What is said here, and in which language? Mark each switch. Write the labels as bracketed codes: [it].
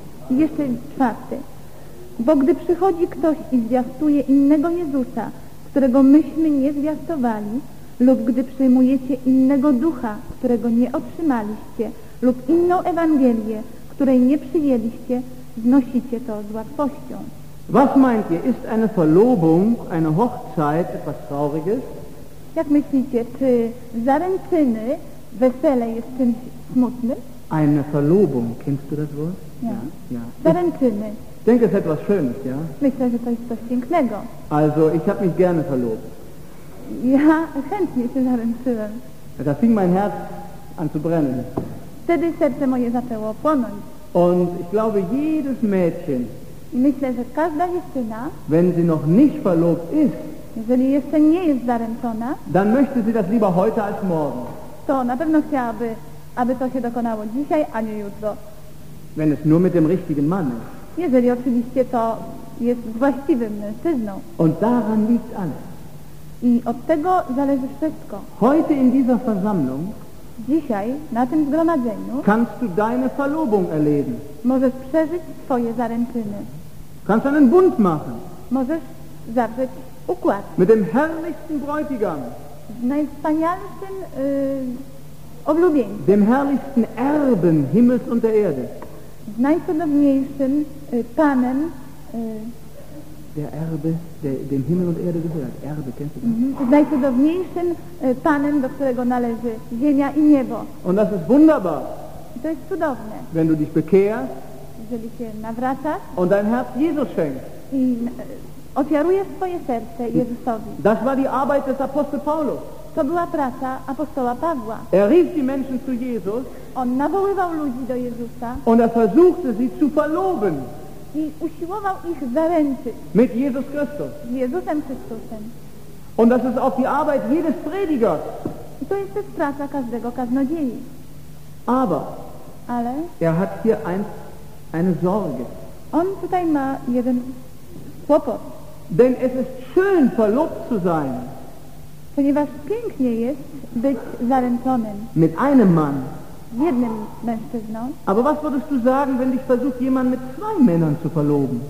[pl] I jeszcze czwarty. Bo gdy przychodzi ktoś i zwiastuje innego Jezusa, którego myśmy nie zwiastowali, lub gdy przyjmujecie innego ducha, którego nie otrzymaliście, lub inną Ewangelię, której nie przyjęliście, znosicie to z łatwością. [de] Was meint ihr, ist eine Verlobung, eine Hochzeit etwas Trauriges? [pl] Jak myślicie, czy zaręczyny, wesele jest czymś smutnym? [de] Eine Verlobung, kennst du das Wort? Ja. Ja. [pl] Zaręczyny. [de] Denke, es ist etwas Schönes, ja? [pl] Myślę, że to jest coś pięknego. [de] Also, ich habe mich gerne verlobt. [pl] Ja chętnie się zaręczyłem. [de] Da fing mein Herz an zu brennen. [pl] Wtedy serce moje zaczęło płonąć. [de] Und ich glaube, jedes Mädchen, [pl] i myślę, że każda dziewczyna, [de] wenn sie noch nicht verlobt ist, [pl] jeżeli jeszcze nie jest zaręczona, [de] dann möchte sie das lieber heute als morgen. [pl] To na pewno chciałaby, aby to się dokonało dzisiaj, a nie jutro. [de] Wenn es nur mit dem richtigen Mann ist. [pl] Jeżeli oczywiście to jest z właściwym mężczyzną. [de] Und daran liegt alles. [pl] I od tego zależy wszystko. [de] Heute in dieser Versammlung, [pl] dzisiaj, na tym zgromadzeniu, [de] kannst du deine Verlobung erleben. [pl] Możesz przeżyć swoje zaręczyny. [de] Kannst einen Bund machen. [pl] Możesz zawrzeć układ. [de] Mit dem herrlichsten Bräutigam. [pl] Z najwspanialszym oblubieńcem. [de] Dem herrlichsten Erben Himmels und der Erde. [pl] Z najcudowniejszym Panem. [de] Der Erbe, der dem Himmel und Erde gehört. Erbe, kennst du das? [pl] Z najcudowniejszym Panem, do którego należy ziemia i niebo. [de] Und das ist wunderbar. [pl] I to jest cudowne. [de] Wenn du dich bekehrst. [pl] Jeżeli się nawracasz. [de] Und dein Herz Jesus schenkt. [pl] I ofiaruje swoje serce Jezusowi. [de] Das war die Arbeit des Apostel Paulus. [pl] To była praca apostoła Pawła. [de] Er rief die Menschen zu Jesus. [pl] On nawoływał ludzi do Jezusa. [de] Und er versuchte sie zu verloben. [pl] I usiłował ich zaręczyć. [de] Mit Jesus Christus. [pl] Z Jezusem Chrystusem. [de] Und das ist auch die Arbeit jedes Predigers. [pl] I to jest też praca każdego kaznodziei. [de] Aber. [pl] Ale. [de] Er hat hier eine Sorge. [pl] On tutaj ma jeden kłopot. [de] Denn es ist schön, verlobt zu sein. [pl] Ponieważ pięknie jest być zaręczonym. [de] Mit einem Mann. [pl] Z jednym mężczyzną. [de] Aber was würdest du sagen, wenn dich versucht jemand mit zwei Männern zu verloben?